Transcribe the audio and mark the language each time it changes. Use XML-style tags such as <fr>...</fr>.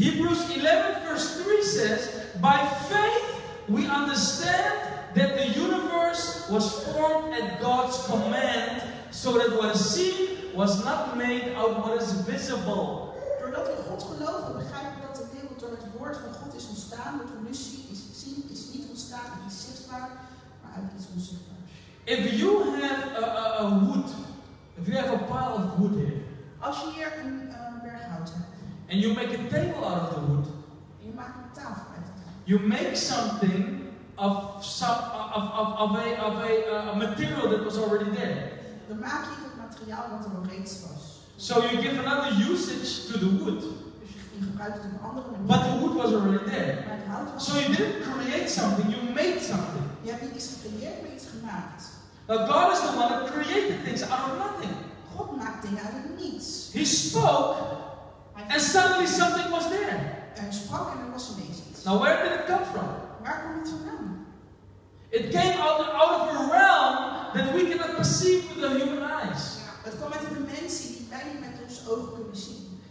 <en>Hebrews 11 verse 3 says, by faith we understand that the universe was formed at God's command, so that what is seen was not made out of what is visible.</en> <nl>Doordat we God geloven, begrijpen we dat de wereld door het woord van God is ontstaan. Wat we nu zien is niet ontstaan uit iets zichtbaar, maar uit iets onzichtbaars.</nl> <en>If you have a wood, if you have a pile of wood here,</en> <nl>Als je hier een berg hout hebt.</nl> <en>And you make a table out of the wood.</en> <nl>Je maakt een tafel uit.</nl> <en>You make something of a material that was already there.</en> <nl>Dan maak je het materiaal wat er al reeds was.</nl> <en>So you give another usage to the wood.</en> <nl>Je gebruikt het op een andere manier.</nl> <en>But the wood was already there.</en> <nl>Was</nl> <en>so you didn't create something, you made something.</en> <nl>Je hebt niet iets gecreëerd, maar iets gemaakt.</nl> <en>Now God is the one that created things out of nothing.</en> <nl>God maakt dingen uit het niets.</nl> <en>He spoke, and suddenly something was there.</en> <nl>En hij sprak en er was ineens iets.</nl> <en>Now where did it come from?</en> <nl>Waar kwam het vandaan?</nl> <en>It came out of a realm that we cannot perceive with our human eyes.</en> <nl>Ja, het kwam uit een dimensie die wij niet met ons ogen kunnen zien.</nl>